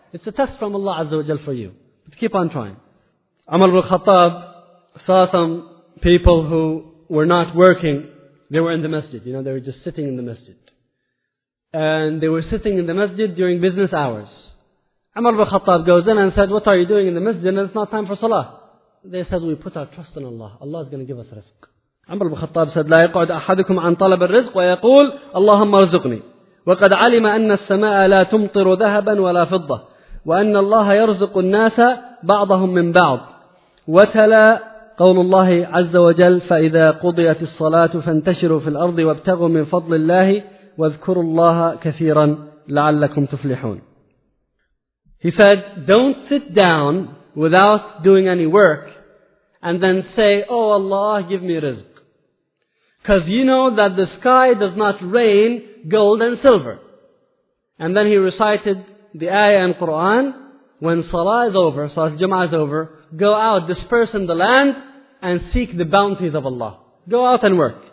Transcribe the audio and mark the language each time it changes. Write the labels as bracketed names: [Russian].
[English] It's a test from Allah Azza wa Jal for you. But keep on trying. Umar ibn Khattab saw some people who were not working. They were in the masjid. You know, they were just sitting in the masjid. And they were sitting in the masjid during business hours. Umar ibn Khattab goes in and said, "What are you doing in the masjid? And it's not time for salah." They said, "We put our trust in Allah. Allah is going to give us rizq." Umar ibn Khattab said, [Arabic] "لا يقعد أحدكم عن طلب الرزق ويقول اللهم ارزقني وقد علم أن السماء لا تمطر ذهبا ولا فضة وأن الله يرزق الناس بعضهم من بعض وتلا قول الله عز وجل فإذا قضيت الصلاة فانتشروا في الأرض وابتغوا من فضل الله واذكروا الله كثيرا لعلكم تفلحون." [English] He said, "Don't sit down without doing any work and then say, 'Oh Allah, give me rizq.' Because you know that the sky does not rain gold and silver." And then he recited the ayah in Quran. When salah is over, salah jum'ah is over, go out, disperse in the land, and seek the bounties of Allah. Go out and work.